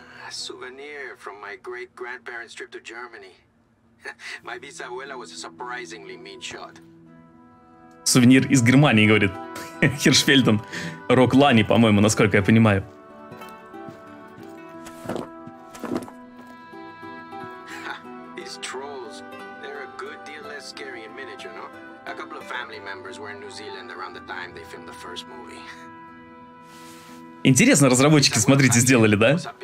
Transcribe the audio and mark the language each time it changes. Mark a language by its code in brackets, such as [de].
[en] Souvenir from my great grandparents' trip to Germany. My bisabuela was a surprisingly mean shot. [ru] Сувенир из Германии, говорит Хиршфельден. Рок Лани, по-моему, насколько я понимаю. [en] these trolls, they're a good deal less scary in miniature, no? A couple of family members were in New Zealand around the time they filmed the first movie. [ru] Интересно, разработчики, смотрите, сделали, да?